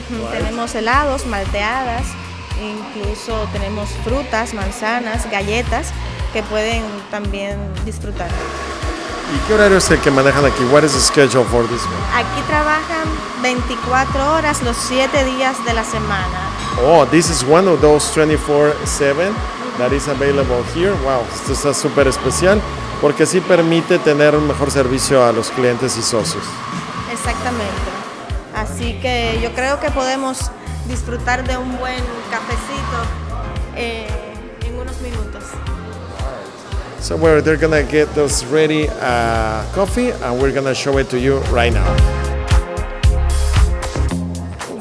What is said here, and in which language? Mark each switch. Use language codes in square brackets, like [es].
[es] Tenemos helados, malteadas, incluso tenemos frutas, manzanas, galletas que pueden también disfrutar. ¿Y qué horario es el que manejan aquí? [en] What is the schedule for this one? [es] Aquí trabajan 24 horas los 7 días de la semana. [en] Oh, this is one of those 24/7 that is available here. [es] Wow, esto está súper especial porque sí permite tener un mejor servicio a los clientes y socios. Exactamente. Así que yo creo que podemos disfrutar de un buen cafecito en unos minutos. [en] So they're gonna get us ready coffee, and we're gonna show it to you right now.